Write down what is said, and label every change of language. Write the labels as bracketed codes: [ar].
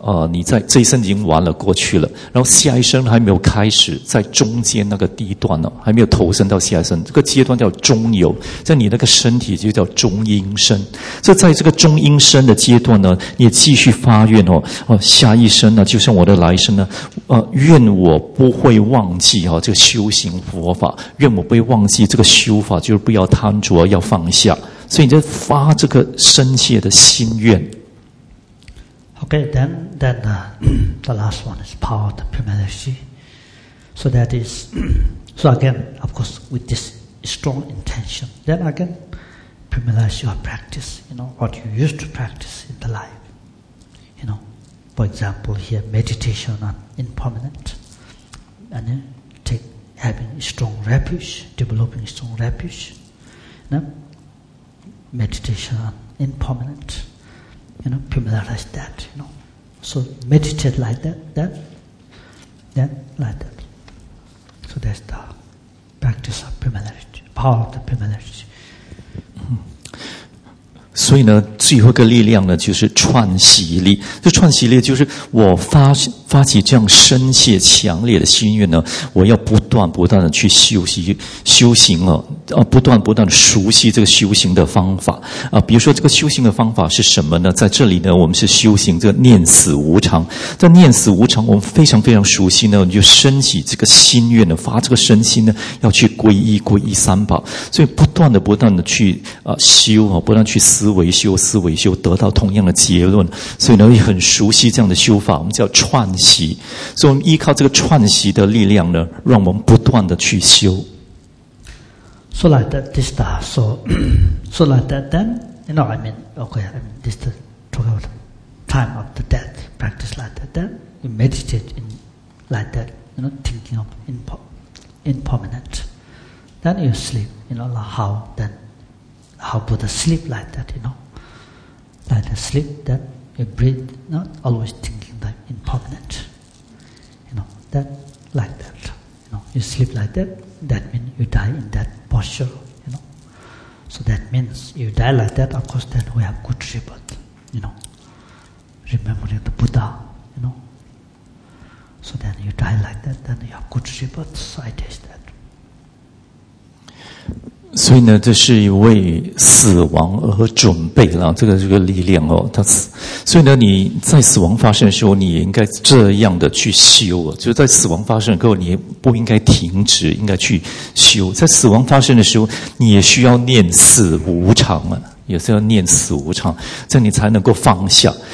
[zh] 你在这一生已经完了过去了，然后下一生还没有开始，在中间那个地段呢，还没有投身到下一生，这个阶段叫终有，在你那个身体就叫终阴身，所以在这个终阴身的阶段呢，你也继续发愿哦，下一生呢，就像我的来生呢，愿我不会忘记哦，这个修行佛法，愿我不会忘记这个修法，就是不要贪着，要放下。所以你就发这个深切的心愿。 [en] Okay, the last one is part of premeditation. So that is, so again, of course, with this strong intention. Then again, premeditation or practice, you know, what you used to practice in the life. You know, for example, here meditation on impermanent, and then take having strong refuge, developing strong refuge. No. Meditation impermanent, you know, familiarize that, you know. So meditate like that, then like that. So that's the practice of familiarity, power of the familiarity. [zh] 所以呢，最后一个力量呢，就是串习力。这串习力就是我发起这样深切强烈的心愿呢，我要不断不断的去修行了、不断不断的熟悉这个修行的方法啊。比如说这个修行的方法是什么呢？在这里呢，我们是修行这个念死无常。在念死无常，我们非常非常熟悉呢，我们就升起这个心愿呢，发这个身心呢，要去皈依三宝。所以不断的不断的去修啊，不断去思维修，得到同样的结论。所以呢，也很熟悉这样的修法，我们叫串。所以我们依靠这个串习的力量呢，让我们不断的去修。 [en] So like that, this the so, so like that. Then, you know, I mean, this the talk about time of the death practice like that. Then you meditate in like that, you know, thinking of impermanent. Then you sleep, you know, like how Buddha sleep like that, you know, like the sleep, then you breathe, not always thinking. Impermanent, you know, that like that, you know, you sleep like that, that means you die in that posture, you know. So that means you die like that, of course, then we have good rebirth, you know, remembering the Buddha, you know. So then you die like that, then you have good rebirth, so I teach that. [zh] 所以呢，这是一位死亡而准备了这个力量哦，他死。所以呢，你在死亡发生的时候，你也应该这样的去修啊。就在死亡发生的时候，你不应该停止，应该去修。在死亡发生的时候，你也需要念死无常啊，也是要念死无常，这样你才能够放下。